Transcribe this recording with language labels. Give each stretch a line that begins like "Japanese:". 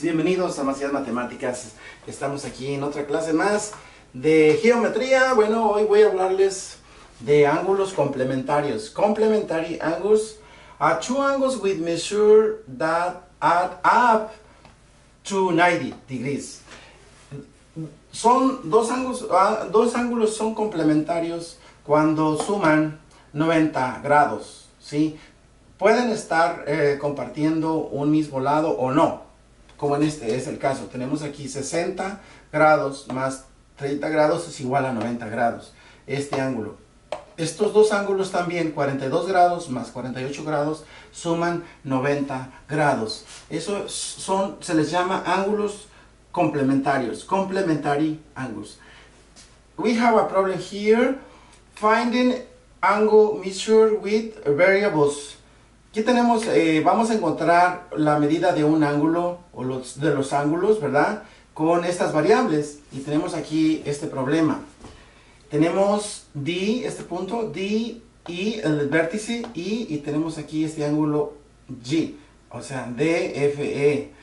Spanish: Bienvenidos a Macías Matemáticas. Estamos aquí en otra clase más de geometría. Bueno, hoy voy a hablarles de ángulos complementarios.
English: Complementary angles are two angles with measure that add up to 90 degrees.
Spanish: Son dos ángulos son complementarios cuando suman 90 grados, ¿sí? Pueden estar compartiendo un mismo lado o no, como en este es el caso. Tenemos aquí 60 grados más 30 grados es igual a 90 grados, este ángulo. Estos dos ángulos también, 42 grados más 48 grados, suman 90 grados. Eso son, se les llama ángulos complementarios,
English: complementary angles. We have a problem here, finding angle measure with variables.
Spanish: Aquí tenemos, vamos a encontrar la medida de un ángulo, o los, de los ángulos, ¿verdad? Con estas variables, y tenemos aquí este problema. Tenemos D, este punto, D, y el vértice, y tenemos aquí este ángulo G, o sea, D, F, E.